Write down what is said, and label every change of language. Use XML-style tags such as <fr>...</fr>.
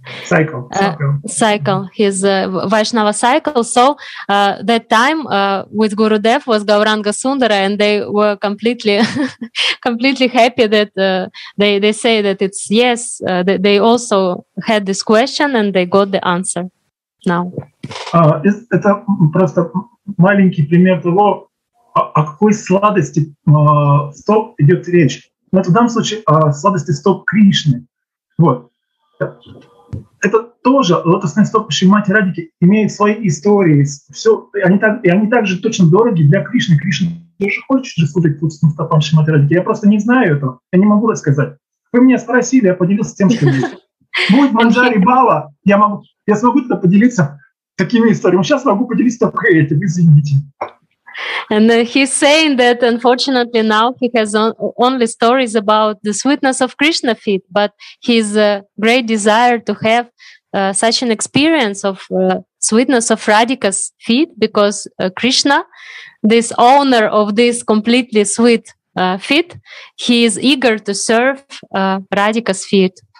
<en>Vaishnava cycle. So that time with Gurudev was Gauranga Sundara, and they were completely happy that they say that it's yes, they also had this question and they got the answer now.</en> <ru>Это просто маленький пример того, о какой сладости стоп идет речь. Но это в данном случае о сладости стоп Кришны. Вот. Это тоже лотосные стопы Шримати Радики имеют свои истории. Все, и они также точно дороги для Кришны. Кришна тоже хочет же служить лотосным стопам Шримати Радики. Я просто не знаю этого. Я не могу рассказать. Вы меня спросили, я поделился тем, что есть. Будет Манджари Бала, я смогу это поделиться такими историями. Сейчас могу поделиться только этим, извините.</ru> <en>And he's saying that unfortunately now he has only stories about the sweetness of Krishna feet, but his great desire to have such an experience of sweetness of Radhika's feet, because Krishna, this owner of this completely sweet feet, he is eager to serve Radhika's feet.</en>